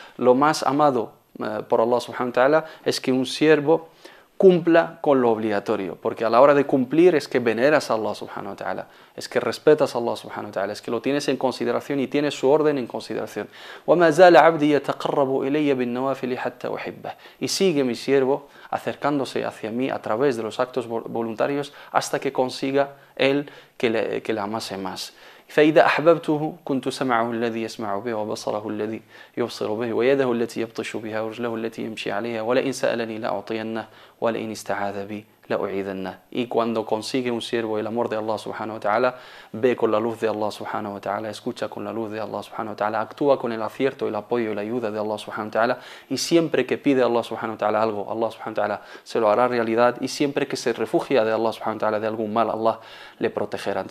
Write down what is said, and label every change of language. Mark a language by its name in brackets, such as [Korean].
[Spanish] Lo más amado por Allah subhanahu wa ta'ala es que un siervo cumpla con lo obligatorio, porque a la hora de cumplir es que veneras a Allah subhanahu wa ta'ala, es que respetas a Allah subhanahu wa ta'ala, es que lo tienes en consideración y tienes su orden en consideración. [Arabic] وَمَا زَالَ عَبْدِي يَتَقَرَّبُ إِلَيَّ بِالنَّوَافِلِ حَتَّى أُحِبَّهُ, [Spanish] y sigue mi siervo acercándose hacia mí a través de los actos voluntarios hasta que consiga él que le amase más. [Arabic] فإذا أحببته كنت سمعه الذي يسمع به وبصره الذي يبصر به ويده التي يبطش بها ورجله التي يمشي عليها ولئن سألني لأعطينه ولئن استعاذ بي لأعيذنه. [Spanish] Y cuando consigue un siervo el amor de Allah subhanahu wa ta'ala, ve con la luz de Allah subhanahu wa ta'ala, escucha con la luz de Allah subhanahu wa ta'ala, actúa con el acierto, el apoyo y la ayuda de Allah subhanahu wa ta'ala, y siempre que pide Allah subhanahu wa ta'ala algo, Allah subhanahu wa ta'ala se lo hará realidad, y siempre que se refugia de Allah subhanahu wa ta'ala de algún mal, Allah le protegerá.